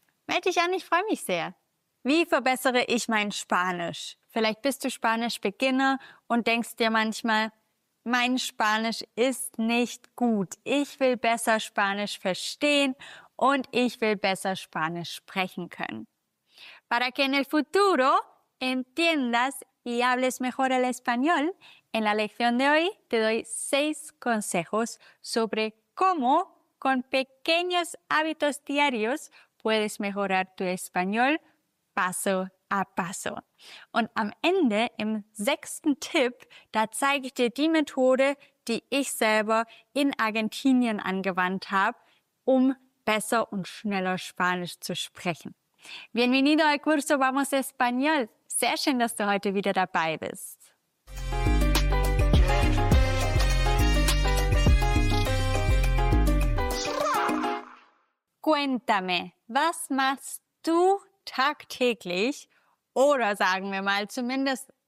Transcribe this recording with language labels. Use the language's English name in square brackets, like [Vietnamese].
[German] Meld dich an, ich freue mich sehr. Wie verbessere ich mein Spanisch? Vielleicht bist du Spanisch-Beginner und denkst dir manchmal, mein Spanisch ist nicht gut. Ich will besser Spanisch verstehen und ich will besser Spanisch sprechen können. [Spanish] Para que en el futuro entiendas y hables mejor el español, en la lección de hoy te doy 6 consejos sobre cómo con pequeños hábitos diarios puedes mejorar tu español paso a paso. [German] Und am Ende, im 6. Tipp, da zeige ich dir die Methode, die ich selber in Argentinien angewandt habe, um besser und schneller Spanisch zu sprechen. [Spanish] Bienvenido al curso Vamos Español. [German] Sehr schön, dass du heute wieder dabei bist. [Spanish] Cuéntame, [German] was machst du tagtäglich oder sagen wir mal zumindest